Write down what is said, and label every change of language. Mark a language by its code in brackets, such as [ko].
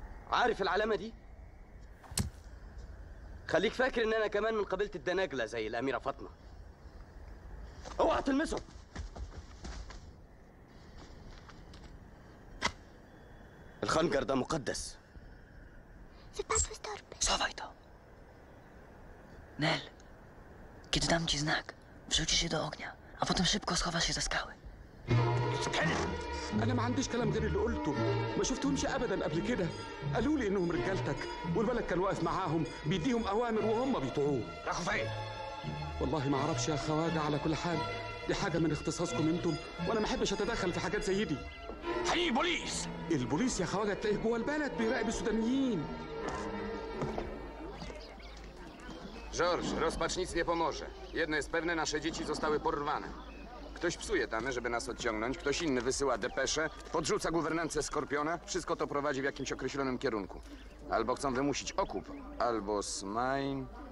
[ar] عارف العلامه دي خليك فاكر ان انا كمان من قبيله الدناجله زي الاميره فاطمه اوعى تلمسهم الخنجر ده مقدس [pl] Schowaj to. Nel, kiedy dam ci znak, wrzucisz się do ognia, a potem szybko schowasz się za skały. [ar] انا ما عنديش كلام غير اللي قلته ما شفتهمش ابدا قبل كده قالوا لي انهم رجالتك والولد كان واقف معاهم بيديهم اوامر وهم بيطعوه يا خفيه والله ما اعرفش يا خواجه على كل حال دي حاجه من اختصاصكم انتم وانا ما احبش اتدخل في حاجات زي دي هي بوليس البوليس يا خواجه تلاقيه جوه البلد بيراقب السودانيين [pl] George, rozpacz nic nie pomoże. Jedno jest pewne, nasze dzieci zostały porwane. Ktoś psuje tamy, żeby nas odciągnąć, ktoś inny wysyła depesze, podrzuca gubernancę Skorpiona, wszystko to prowadzi w jakimś określonym kierunku. Albo chcą wymusić okup, albo Smain...